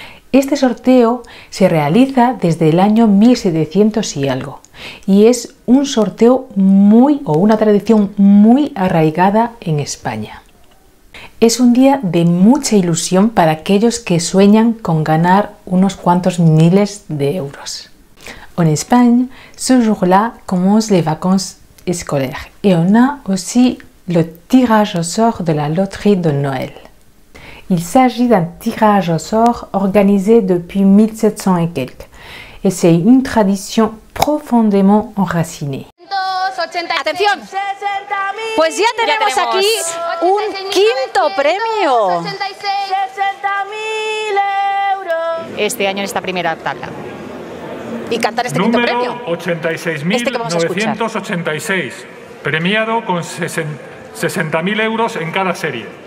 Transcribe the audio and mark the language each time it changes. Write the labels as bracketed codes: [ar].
[es] Este sorteo se realiza desde el año 1700 y algo, y es un sorteo una tradición muy arraigada en España. Es un día de mucha ilusión para aquellos que sueñan con ganar unos cuantos miles de euros. [fr] En España, ce jour-là commence les vacances scolaires et on a aussi le tirage au sort de la loterie de Noël. Il s'agit d'un tirage au sort organisé depuis 1700 et quelques. Et c'est une tradition profondément enracinée. [es] Atención. Pues ya tenemos aquí un quinto premio. Este año en esta primera tabla. Y cantar este quinto premio. Número 86.986. Premiado con 60.000 euros en cada serie.